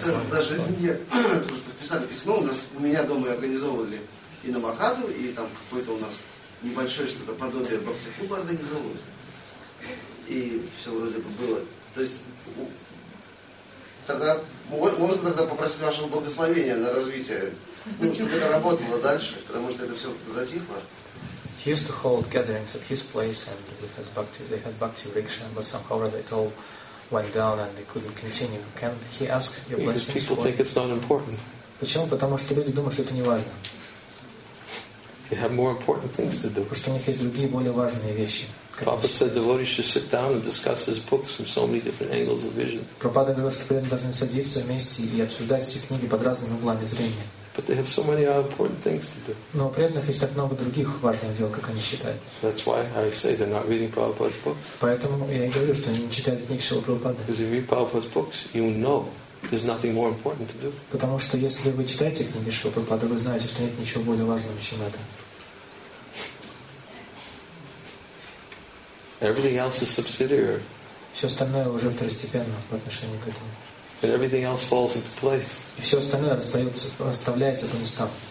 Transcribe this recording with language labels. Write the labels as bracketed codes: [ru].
[ru] Даже нет, просто писали письмо. У меня дома организовывали и на Махаду, и там какое-то у нас небольшое что-то подобие бхакти-клуба организовывалось. И все вроде бы было. То есть тогда можно тогда попросить вашего благословения на развитие, ну, чтобы это работало дальше, потому что это все затихло. [en] He used to hold gatherings at his place and they had bhakti riksha, but somehow it all went down and they couldn't continue. Can he ask your because blessings? People think it's not important. [ru] Почему? Потому что люди думают, что это не важно. [en] They have more important things to do. [ru] Потому что у них есть другие более важные вещи. [en] Prabhupada said devotees should sit down and discuss his books from so many different angles of vision. [ru] Prabhupada говорит, что преданные должны садиться вместе и обсуждать эти книги под разными углами зрения. [en] But they have so many important things to do. [ru] Но у преданных есть так много других важных дел, как они считают. [en] That's why I say they're not reading Prabhupada's books. [ru] Поэтому я и говорю, что они не читают книги Шрилы Прабхупады. [en] Because if you read Prabhupada's books, you know there's nothing more important to do. [ru] Потому что если вы читаете книги Шрилы Прабхупады, вы знаете, что нет ничего более важного, чем это. [en] Everything else is subsidiary. [ru] Все остальное уже второстепенно по отношению к этому. Хорошо. [en] and everything else falls into place. [ru] И все остальное расставляется по местам.